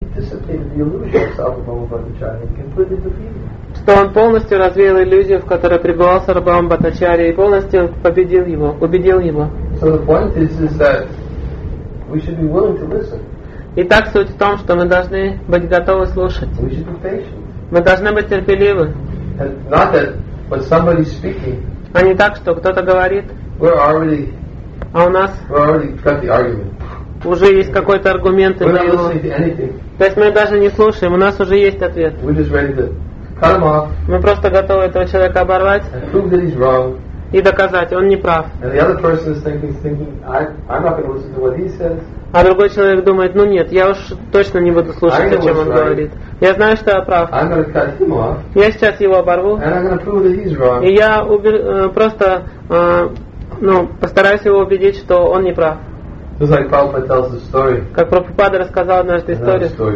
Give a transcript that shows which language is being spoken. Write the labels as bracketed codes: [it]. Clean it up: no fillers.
[en] dissipated the illusion of self of Om Bhattacharya and completely defeated him. [ru] Что он полностью развеял иллюзию, в которой пребывал Сарабхам Бхаттачарья, и полностью победил его, убедил его. [en] So the point is that we should be willing to listen. [ru] Итак, суть в том, что мы должны быть готовы слушать. [en] We should be patient. [ru] Мы должны быть терпеливы. [en] And not that, but somebody speaking. [ru] А не так, что кто-то говорит. [en] We're already, [ru] а у нас [en] we're already got the argument. [ru] Уже есть какой-то аргумент. [en] We're not listening to anything. [ru] То есть мы даже не слушаем, у нас уже есть ответ. [en] We're just ready to cut him off. [ru] Мы просто готовы этого человека оборвать. [en] And prove that he's wrong. [ru] И доказать, он не прав. [en] And the other person is thinking, I'm not going to listen to what he says. [ru] А другой человек думает, ну нет, я уж точно не буду слушать, о чем он говорит. Я знаю, что я прав. Я сейчас его оборву. И я постараюсь его убедить, что он не прав. Как Прабхупада рассказал однажды историю.